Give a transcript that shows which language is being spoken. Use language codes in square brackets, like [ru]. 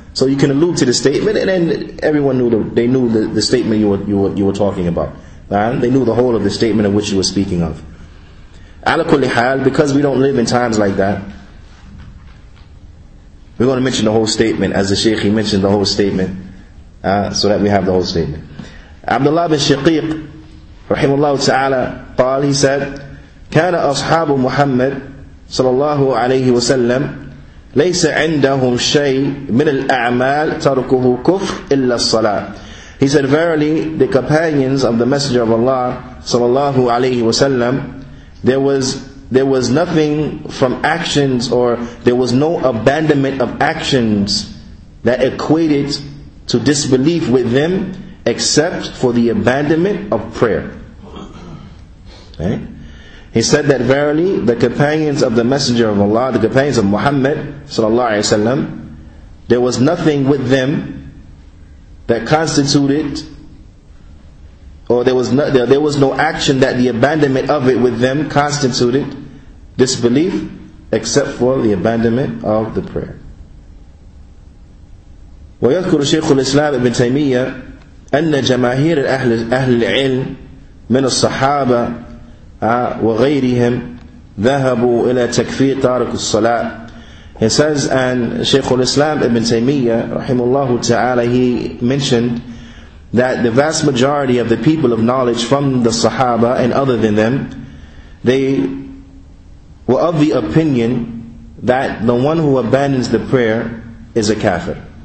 [en] So you can allude to the statement, and then everyone knew the statement you were talking about. Na'am? They knew the whole of the statement of which you were speaking of. Ala kulli hal, because we don't live in times like that, we're going to mention the whole statement, as the Shaykh, he mentioned the whole statement, so that we have the whole statement. [ar] Abdullah bin Shaqiq, rahimahullah ta'ala, قال, [en] he said, [ar] كَانَ أَصْحَابُ مُحَمَّدٍ صَلَى اللَّهُ عَلَيْهِ وَسَلَّمْ لَيْسَ عِنْدَهُمْ شَيْءٍ مِنَ الْأَعْمَالِ تَرْكُهُ كُفْرٍ إِلَّا الصَّلَاةِ. [en] He said, verily, the companions of the Messenger of Allah, [ar] صلى الله عليه وسلم, [en] there was nothing from actions, or there was no abandonment of actions that equated to disbelief with them, except for the abandonment of prayer. He said that verily the companions of the Messenger of Allah, the companions of Muhammad sallallahu alaihi wasallam, there was nothing with them that constituted, or there was no action that the abandonment of it with them constituted disbelief, except for the abandonment of the prayer. [ar] ويذكر شيخ الإسلام ابن تيمية أن جماهير أهل العلم من الصحابة وغيرهم ذهبوا إلى تكفير تارك الصلاة. [en] He says, and Shaykh al-Islam ibn Taymiyyah, rahimullah ta'ala, he mentioned that the vast majority of the people of knowledge from the Sahaba and other than them, they were of the opinion that the one who abandons the prayer is a kafir.